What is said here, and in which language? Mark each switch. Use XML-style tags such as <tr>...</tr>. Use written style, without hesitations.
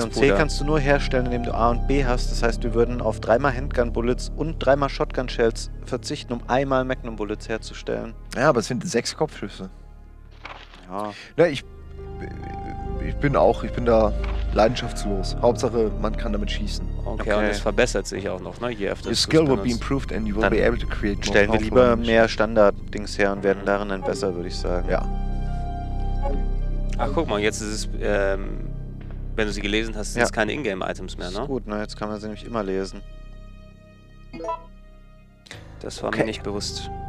<de>Und C kannst du nur herstellen, indem du A und B hast. Das heißt, wir würden auf 3x Handgun Bullets und 3x Shotgun Shells verzichten, um einmal Magnum Bullets herzustellen. Ja, aber es sind 6 Kopfschüsse. Ja. Na, ich bin da leidenschaftslos. Hauptsache, man kann damit schießen. Okay, und es verbessert sich auch noch, ne? Je öfter.</de> <en>Your skill will be improved and you will be able to create more.</en> <de>Stellen wir lieber mehr Standard-Dings her und werden darin dann besser, würde ich sagen. Ja. Ach, guck mal, jetzt ist es, wenn du sie gelesen hast, sind es keine Ingame-Items mehr, ne? Ist gut, ne? Jetzt kann man sie nämlich immer lesen. Das war mir nicht bewusst.</de>